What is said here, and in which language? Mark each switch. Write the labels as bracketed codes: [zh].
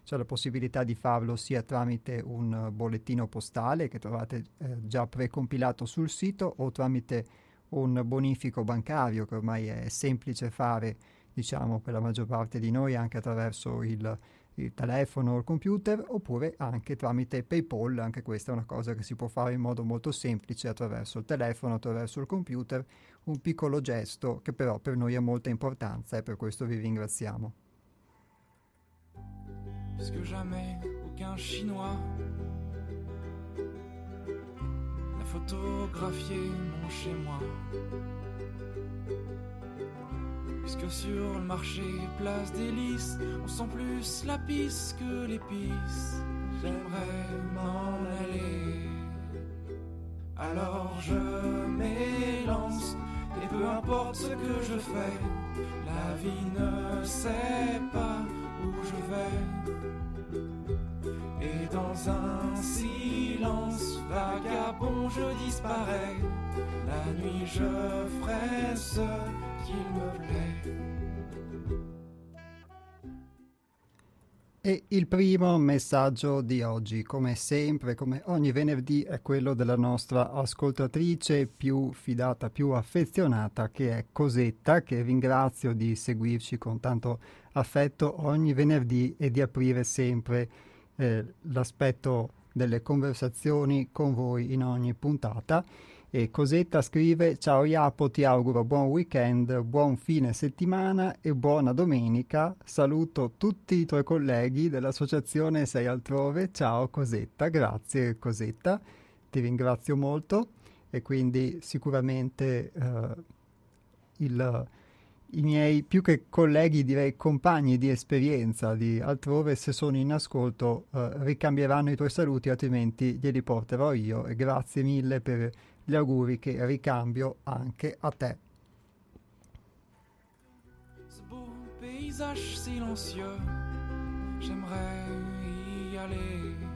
[it] C'è la possibilità di farlo sia tramite un bollettino postale che trovate già precompilato sul sito, o tramite un bonifico bancario che ormai è semplice fare, diciamo, per la maggior parte di noi, anche attraverso il telefono o il computer, oppure anche tramite PayPal. Anche questa è una cosa che si può fare in modo molto semplice attraverso il telefono, attraverso il computer, un piccolo gesto che però per noi ha molta importanza, e per questo vi ringraziamo. [fr] Puisque jamais aucun chinois n'a photographié mon chez moi, puisque sur le marché place des lys on sent plus la pisse que l'épice, j'aimerais m'en aller. Alors je m'élance et peu importe ce que je fais, la vie ne sait pas où je vais. Et dans un silence vagabond je disparais, la nuit je ferai ce qu'il me plaît. [it] E il primo messaggio di oggi, come sempre, come ogni venerdì, è quello della nostra ascoltatrice più fidata, più affezionata, che è Cosetta, che ringrazio di seguirci con tanto affetto ogni venerdì e di aprire sempre l'aspetto delle conversazioni con voi in ogni puntata. E Cosetta scrive: ciao Iapo, ti auguro buon weekend, buon fine settimana e buona domenica. Saluto tutti i tuoi colleghi dell'associazione Sei Altrove. Ciao Cosetta. Grazie Cosetta, ti ringrazio molto. E quindi sicuramente i miei più che colleghi, direi compagni di esperienza di Altrove, se sono in ascolto, ricambieranno i tuoi saluti, altrimenti glieli porterò io. E grazie mille per gli auguri che ricambio anche a te. [fr] Ce beau paysage silencieux, j'aimerais y aller.